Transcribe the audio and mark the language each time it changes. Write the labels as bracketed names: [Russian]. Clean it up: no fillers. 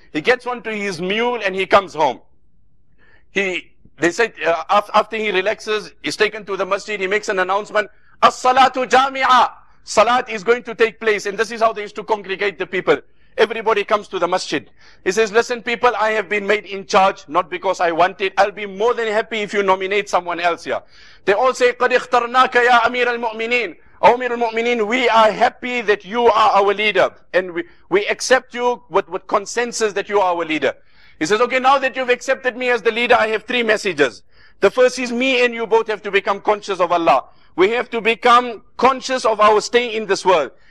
[English] He gets onto his mule and he comes home. After he relaxes, he's taken to the masjid, he makes an announcement. [Arabic] As-salatu jami'a. [English] Salat is going to take place. And this is how they used to congregate the people. Everybody comes to the masjid. He says, listen people, I have been made in charge, not because I want it. I'll be more than happy if you nominate someone else here. They all say, [Arabic] قَدْ اخْتَرْنَاكَ يَا أَمِيرَ الْمُؤْمِنِينَ. [English] Amir al-Mu'mineen, we are happy that you are our leader. And we accept you with consensus that you are our leader. He says, okay, now that you've accepted me as the leader, I have 3 messages. The first is me and you both have to become conscious of Allah. We have to become conscious of our stay in this world.